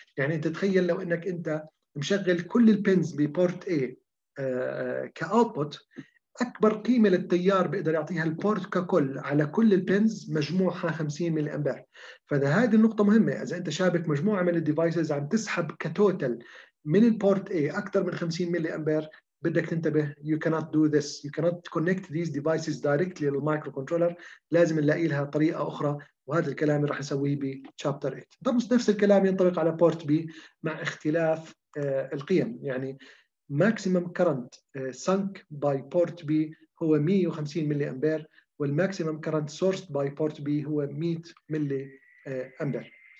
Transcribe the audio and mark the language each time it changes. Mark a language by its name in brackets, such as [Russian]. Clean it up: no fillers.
[Arabic] يعني أنت تخيل لو أنك أنت مشغل كل البنز ببورت A كأوتبوت، أكبر قيمة للتيار بيقدر يعطيها البورت ككل على كل البنز مجموعها 50 ملي أمبير. فإذا هذه النقطة مهمة، إذا أنت شابك مجموعة من الديفايسز عم تسحب كتوتل من البورت A أكثر من 50 ملي أمبير، بدك تنتبه. [English] You cannot do this. You cannot connect these devices directly to the microcontroller. [Arabic] لازم نلاقي لها طريقة أخرى، وهذا الكلام رح نسويه بشابتر 8. طب نفس الكلام ينطبق على بورت B مع اختلاف القيم، يعني ماكسيمم كرنت سانك باي بورت بي هو 150 ملي امبير، والماكسيمم كرنت سورس باي بورت بي هو 100 ملي امبير.